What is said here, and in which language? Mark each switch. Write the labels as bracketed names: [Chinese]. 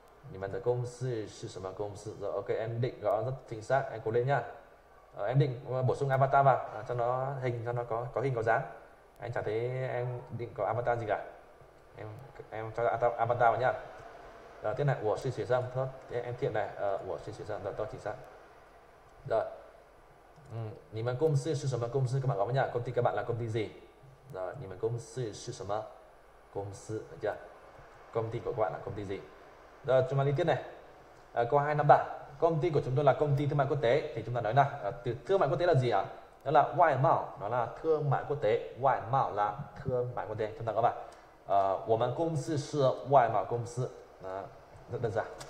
[Chinese] 你们的公司是什么公司? [Vietnamese] Rồi, ok, em định gõ rất chính xác, em cố lên nhá. Em định bổ sung avatar vào cho nó hình, cho nó có hình có dáng. Anh chẳng thấy em định có avatar gì cả. Em cho avatar vào nhá. Rồi, tiếp này, của sư xuyên xong, thôi, em Thiện này, của sư xuyên xong, rồi, tôi chính xác. [Chinese] Rồi, 你们公司是什么公司? [Vietnamese] Các bạn gõ vào nhá, công ty các bạn là công ty gì? [Chinese] Rồi, 你们公司是什么公司? [Vietnamese] Được chưa? Công ty của các bạn là công ty gì? Rồi, chúng ta đi tiếp này. Câu 253. Công ty của chúng tôi là công ty thương mại quốc tế. Thì chúng ta nói là từ thương mại quốc tế là gì ạ? Đó là ngoại mạo, nó là thương mại quốc tế. Ngoại mạo là thương mại quốc tế. Chúng ta có bạn. Ờ, chúng công ty là ngoại mạo công ty. Đó, rất đơn giản.